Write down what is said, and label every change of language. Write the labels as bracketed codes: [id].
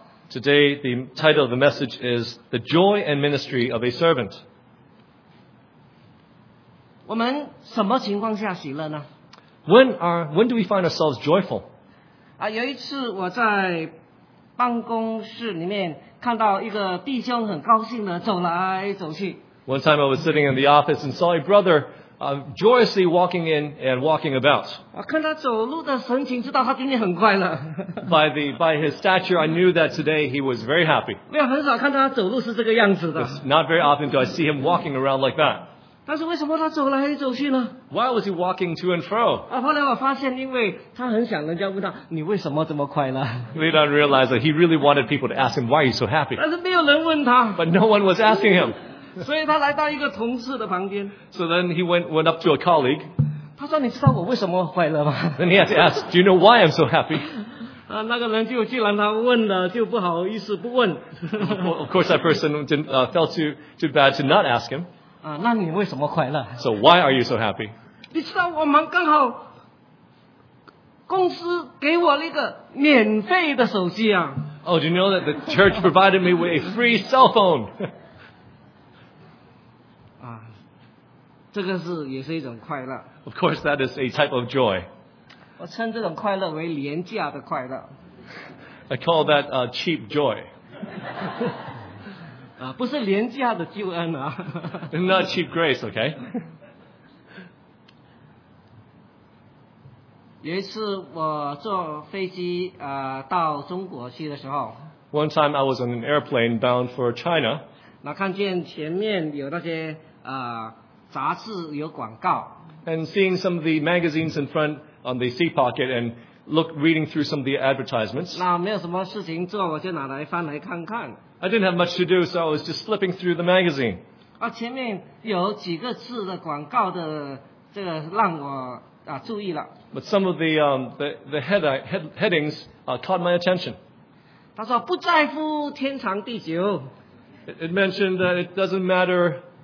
[en] Today, the title of the message is The Joy and Ministry of a Servant. [zh] 我们什么情况下喜乐呢？ [en] When do we find ourselves joyful? [zh] 有一次我在办公室里面看到一个弟兄很高兴的走来走去。 [en] One time I was sitting in the office and saw a brother joyously walking in and walking about. [zh] 我看他走路的神情，知道他今天很快乐。 [en] By his stature, I knew that today he was very happy. [zh] 没有很少看他走路是这个样子的。 [en] It's not very often do I see him walking around like that. [zh] 但是为什么他走来走去呢？ [en] Why was he walking to and fro? [zh] 后来我发现，因为他很想人家问他，你为什么这么快乐？ [en] Later I realized that he really wanted people to ask him why he's so happy. [zh] 但是没有人问他。 [en] But no one was asking him. [zh] 所以他来到一个同事的旁边。 [en] So then he went up to a colleague. [zh] 他说，你知道我为什么快乐吗？ [en] Then he had to ask, do you know why I'm so happy? [zh] 那个人就既然他问了，就不好意思不问。 [en] Well, of course, that person felt too bad to not ask him. [zh] 那你为什么快乐？ [en] So why are you so happy? [zh] 你知道我们刚好公司给我那个免费的手机啊。 [en] Oh, do you know that the church provided me with a free cell phone? [zh] 这个是也是一种快乐。 [en] Of course, that is a type of joy. [zh] 我称这种快乐为廉价的快乐。 [en] I call that cheap joy. [zh] 不是廉价的救恩啊。 [en] Not cheap grace, okay? [zh] 有一次我坐飞机到中国去的时候。 [en] One time I was on an airplane bound for China. [zh] 那看见前面有那些杂志有广告。 [en] And seeing some of the magazines in front on the seat pocket and reading through some of the advertisements. [zh] 那没有什么事情做，我就拿来翻来看看。 [en] I didn't have much to do, so I was just flipping through the magazine. [zh] 啊，前面有几个字的广告的这个让我注意了。 [en] But some of the headings caught my attention. [zh] 他说不在乎天长地久。 [en] It mentioned that it doesn't matter.